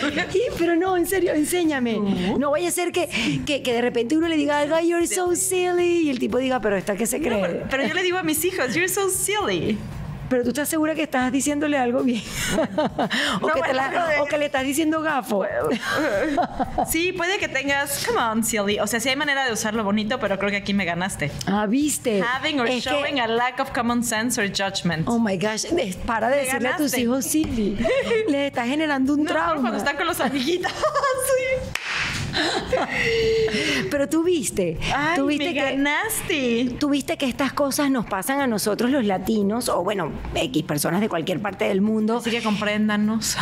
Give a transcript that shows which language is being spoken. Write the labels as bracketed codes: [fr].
[es] Sí, pero no, en serio, enséñame. No vaya a ser que de repente uno le diga, algo, [en] you're so silly, [es] y el tipo diga, pero ¿esta qué se cree? No, pero yo le digo a mis hijos, [en] you're so silly. [es] Pero tú estás segura que estás diciéndole algo bien. ¿O, no, que te la, o que le estás diciendo gafo? Sí, puede que tengas, [en] come on, silly. [es] O sea, sí hay manera de usarlo bonito, pero creo que aquí me ganaste. Ah, ¿viste? [en] Having or es showing que... a lack of common sense or judgment. Oh, my gosh. [es] Para de decirle ganaste. A tus hijos silly. Les estás generando un trauma. No, cuando están con los amiguitos. Sí. Pero tú viste. Ay, tú viste me ganaste. Tú viste que estas cosas nos pasan a nosotros los latinos, o bueno, X personas de cualquier parte del mundo. Así que compréndanos.